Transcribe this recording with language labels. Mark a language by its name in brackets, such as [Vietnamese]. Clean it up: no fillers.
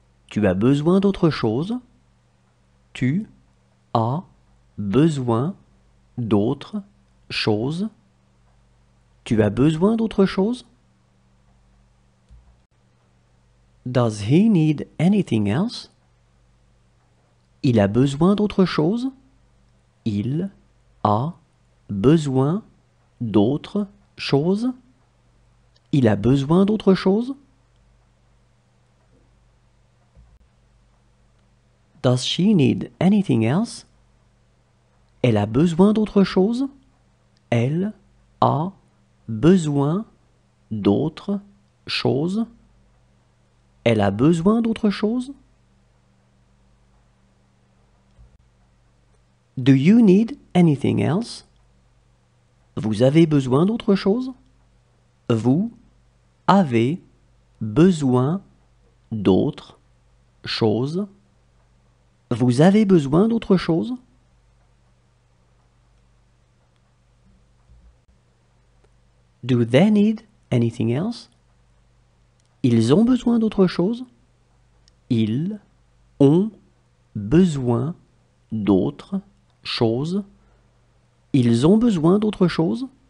[French] Tu as besoin d'autre chose? Tu as besoin d'autre chose? Tu as besoin d'autre chose? [English] Does he need anything else? [French] Il a besoin d'autre chose? Il a besoin d'autre chose? Il a besoin d'autre chose? [English] Does she need anything else? [French] Elle a besoin d'autre chose? Elle a besoin d'autre chose? Elle a besoin d'autre chose? [English] Do you need anything else? [French] Vous avez besoin d'autre chose? Vous avez besoin d'autre chose? Vous avez besoin d'autre chose? [English] Do they need anything else? [French] Ils ont besoin d'autre chose? Ils ont besoin d'autre chose? Ils ont besoin d'autre chose?